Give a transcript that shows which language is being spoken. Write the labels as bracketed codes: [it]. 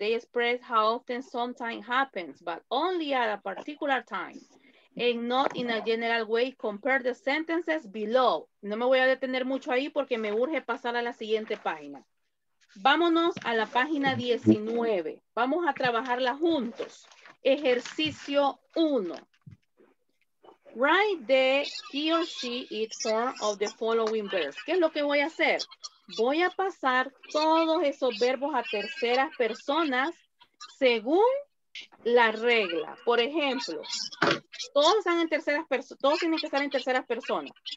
[en] They express how often something happens, but only at a particular time. And not in a general way, compare the sentences below. [es] No me voy a detener mucho ahí porque me urge pasar a la siguiente página. Vámonos a la página 19. Vamos a trabajarla juntos. Ejercicio 1. [en] Write the he or she it form of the following verbs. [es] ¿Qué es lo que voy a hacer? Voy a pasar todos esos verbos a terceras personas según la regla. Por ejemplo, todos están en terceras personas, todos tienen que estar en terceras personas.